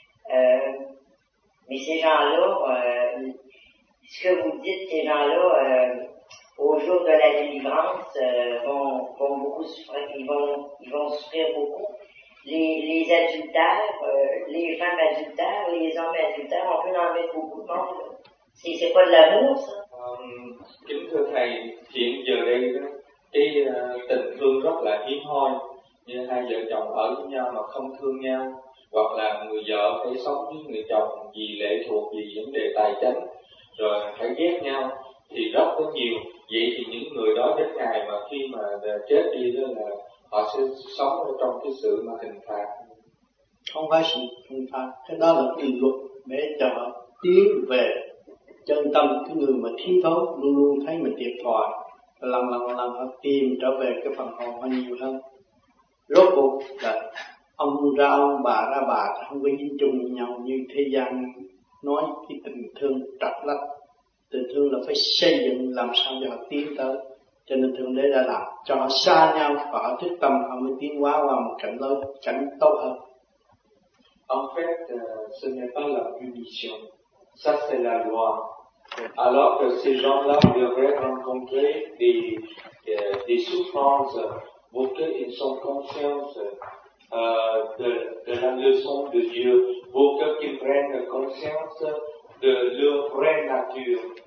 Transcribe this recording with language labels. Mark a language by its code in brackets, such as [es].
[fr] Mais ces gens-là, ce que vous dites, ces gens-là, au jour de la délivrance, vont beaucoup souffrir, ils vont souffrir beaucoup. les adultères, les femmes adultères, les hommes adultères, on peut en mettre beaucoup de monde. C'est pas de l'amour, ça? [vi] Kính thưa thầy, hiện giờ đây đó, cái tình thương rất là hiếm hoi, như hai vợ chồng ở với nhau mà không thương nhau, hoặc là người vợ phải sống với người chồng vì lệ thuộc, vì vấn đề tài chính, rồi phải ghét nhau, thì rất có nhiều. Vậy thì những người đó đến ngày mà khi mà chết đi đó là họ sẽ sống ở trong cái sự mà hình phạt. Không phải sự hình phạt, cái đó là quy luật để cho họ tiến về chân tâm, cái người mà thiếu thốn luôn luôn thấy mình thiệt thòi, lần họ tìm trở về cái phần hồn họ nhiều hơn. Rốt cuộc là ông ra ông, bà ra bà, không có dính chung với nhau như thế gian nói cái tình thương trật lách. Tình thương là phải xây dựng làm sao cho họ tiến tới, cho nên Thượng Đế đã làm cho họ xa nhau và họ thức tâm, họ mới tiến hóa qua một cảnh lớn, cảnh tốt hơn. [fr] En fait, ce n'est pas la punition, ça c'est la loi. Alors que ces gens-là devraient rencontrer des souffrances pour qu'ils soient conscients de la leçon de Dieu, pour qu'ils prennent conscience de leur vraie nature.